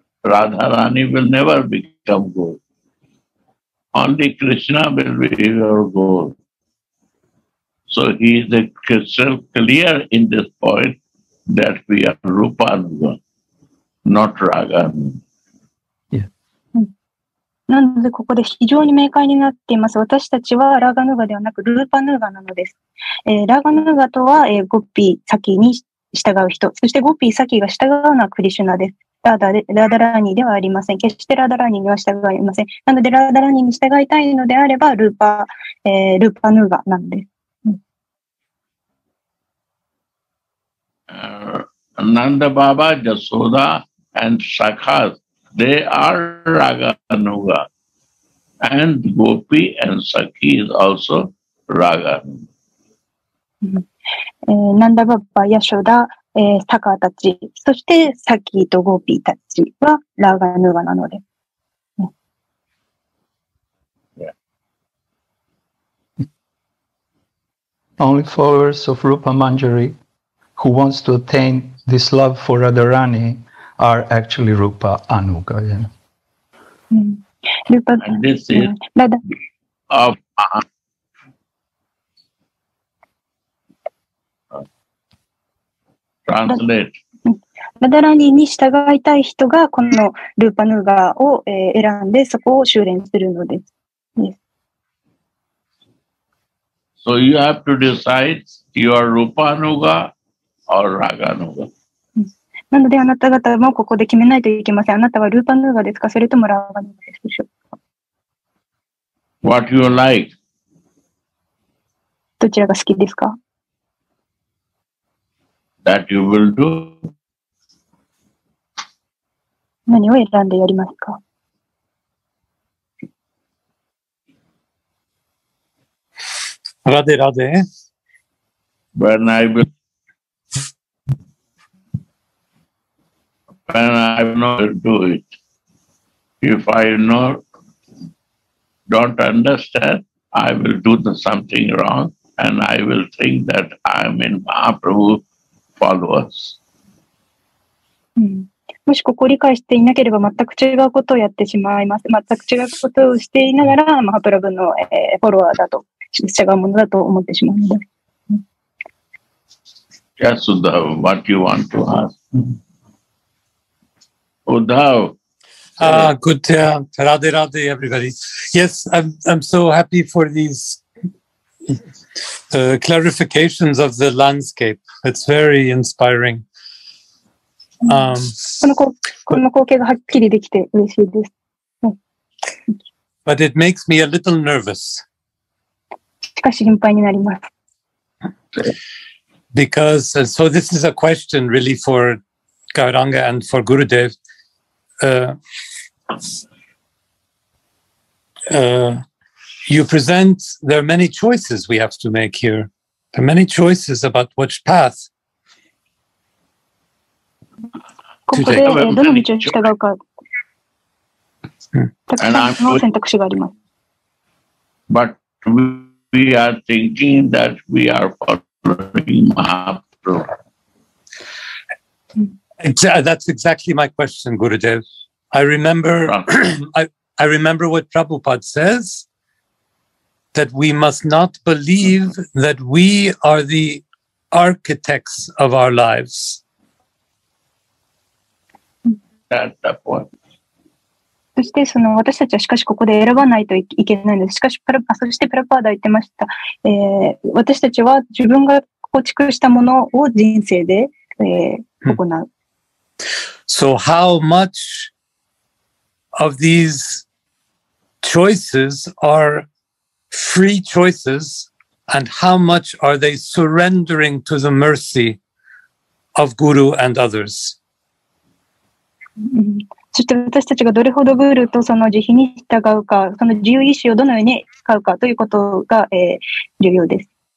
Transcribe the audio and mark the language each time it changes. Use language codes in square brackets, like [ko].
[en] Radharani will never become goal. Only Krishna will be your goal. So he is crystal clear in this point that we are Rupa Nuga, not Radharani. [ja] なのでここで非常に明快になっています。私たちはラガヌーガではなくルーパヌーガなのです、ラガヌーガとは、ゴッピーサキに従う人、そしてゴッピーサキが従うのはクリシュナです。ラダラーニーではありません。決してラダラーニーには従いません。なのでラダラーニーに従いたいのであればルーパヌーガなのです、 [en] ナンダババ、ジャソダ and サカーThey are Raga Nuga. And Gopi and Sakhi is also Raga Nuga. [ja] ナンダバッバヤショダ、サカーたち、そしてサキとゴピーたちはラーガヌーガなので。 [en] Only followers of Rupa Manjari who wants to attain this love for Radharani are actually Rupa Anuga. Yeah. Mm. And this is Radha. Translate. [ja] Radharani に従いたい人がこの Rupa Anuga を選んでそこを修練するのです。 [en] So you have to decide you are Rupa Anuga or Raga Anuga. [ja] なのであなた方もここで決めないといけません。あなたはルーパヌーガですか、それともラーガヌーガでしょうか。 [en] What you like? [ja] どちらが好きですか。 [en] That you will do. [ja] 何を選んでやりますか。 [en] Radhe, Radhe. When I will not do it. If I not, don't understand, I will do something wrong and I will think that I am in Mahaprabhu followers. [ja] もしここを理解していなければ全く違うことをやってしまいます。全く違うことをしていながら、マハプラブの、フォロワーだと。違うものだと思ってしまうので。 [en] Yes, Uddhav, what you want to ask? Uddhav. Good, Radhe, Radhe, everybody. Yes, I'm so happy for these clarifications of the landscape. It's very inspiring. [ja] この光景がはっきりできて嬉しいです。 [en] But it makes me a little nervous. [ja] しかし心配になります。 [en] Because, so this is a question really for Gauranga and for Gurudev. You present, there are many choices we have to make here. There are many choices about which path [ja] ここでどの道を従うか。たくさんの選択肢があります。 [en] But we are thinking that we are following Mahaprabhu. That's exactly my question, Gurudev. I remember what Prabhupada says, that we must not believe that we are the architects of our lives. That's the point. [ja] そしてその私たちはしかしここで選ばないといけないんです。しかしそしてプラパーダは言ってました、私たちは自分が構築したものを人生で、行う、hmm. [en] So how much of these choices are free choices and how much are they surrendering to the mercy of Guru and others? [ja] そして私たちがどれほどグールとその慈悲に従うか、その自由意志をどのように使うかということが、重要です。